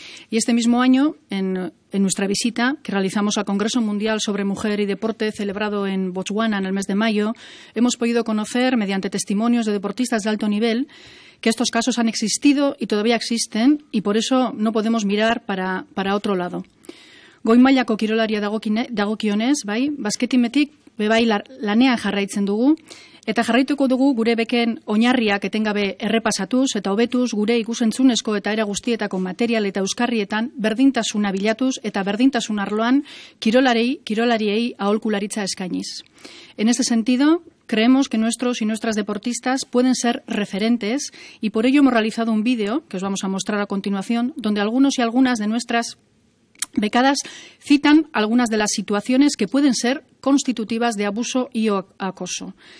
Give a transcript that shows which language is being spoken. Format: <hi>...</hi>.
<es>Y este mismo año, en nuestra visita que realizamos al Congreso Mundial sobre Mujer y Deporte, celebrado en Botswana en el mes de mayo, hemos podido conocer, mediante testimonios de deportistas de alto nivel, que estos casos han existido y todavía existen y por eso no podemos mirar para otro lado.</es> <eu>Goi mailako kirolaria dagokionez, bai, basketimetik bebai lanean jarraitzen dugu eta jarraituko dugu gure beken oinarriak etengabe errepasatuz eta hobetuz gure ikusentzunezko eta era guztietako material eta euskarrietan berdintasuna bilatuz eta berdintasun arloan kirolariei aholkularitza eskainiz.</eu> <es>En este sentido, creemos que nuestros y nuestras deportistas pueden ser referentes y por ello hemos realizado un vídeo que os vamos a mostrar a continuación donde algunos y algunas de nuestras becadas citan algunas de las situaciones que pueden ser constitutivas de abuso y o acoso.</es>